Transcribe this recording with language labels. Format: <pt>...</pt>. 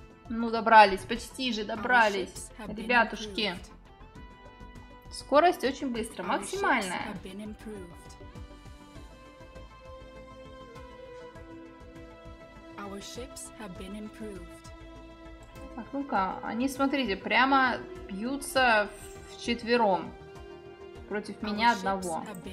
<ru>Ну, добрались, почти же добрались, ребятушки. Скорость очень быстро, максимальная.</ru> <en>Our ships have been improved. Our ships have been improved.</en> <ru>Так, ну-ка, они, смотрите, прямо бьются вчетвером. Против меня одного.</ru>